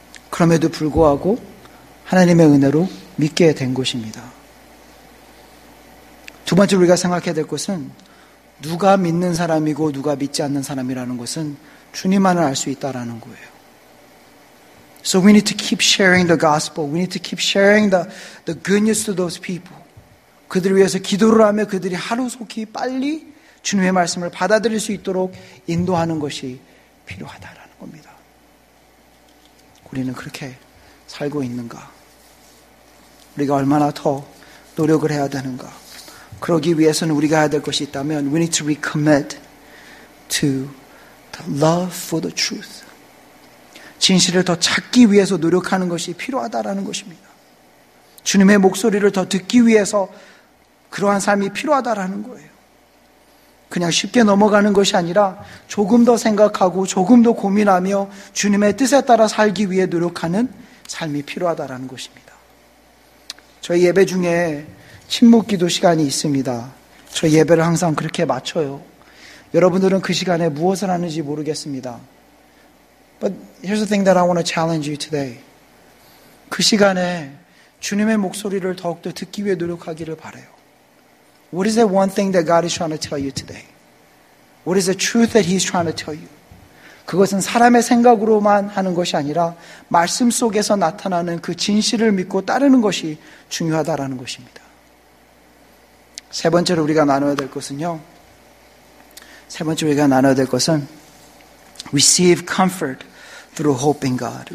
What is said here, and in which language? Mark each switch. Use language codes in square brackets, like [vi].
[ko] 그럼에도 불구하고 하나님의 은혜로 믿게 된 것입니다. 두 번째 우리가 생각해야 될 것은 누가 믿는 사람이고 누가 믿지 않는 사람이라는 것은 주님만을 알 수 있다라는 거예요. [en] So we need to keep sharing the gospel. We need to keep sharing the good news to those people. [ko] 그들을 위해서 기도를 하며 그들이 하루속히 빨리 주님의 말씀을 받아들일 수 있도록 인도하는 것이 필요하다라는 겁니다. 우리는 그렇게 살고 있는가? 우리가 얼마나 더 노력을 해야 되는가? 그러기 위해서는 우리가 해야 될 것이 있다면 [en] We need to recommit to the love for the truth. [ko] 진실을 더 찾기 위해서 노력하는 것이 필요하다라는 것입니다. 주님의 목소리를 더 듣기 위해서 그러한 삶이 필요하다라는 거예요. 그냥 쉽게 넘어가는 것이 아니라 조금 더 생각하고 조금 더 고민하며 주님의 뜻에 따라 살기 위해 노력하는 삶이 필요하다라는 것입니다. 저희 예배 중에 침묵기도 시간이 있습니다. 저 예배를 항상 그렇게 마쳐요. 여러분들은 그 시간에 무엇을 하는지 모르겠습니다. [en] But here's the thing that I want to challenge you today. [ko] 그 시간에 주님의 목소리를 더욱더 듣기 위해 노력하기를 바라요. [en] What is the one thing that God is trying to tell you today? What is the truth that He's trying to tell you? [ko] 그것은 사람의 생각으로만 하는 것이 아니라 말씀 속에서 나타나는 그 진실을 믿고 따르는 것이 중요하다라는 것입니다. 세 번째로 우리가 나눠야 될 것은요. 세 번째로 우리가 나눠야 될 것은 [en] Receive comfort through hope in God.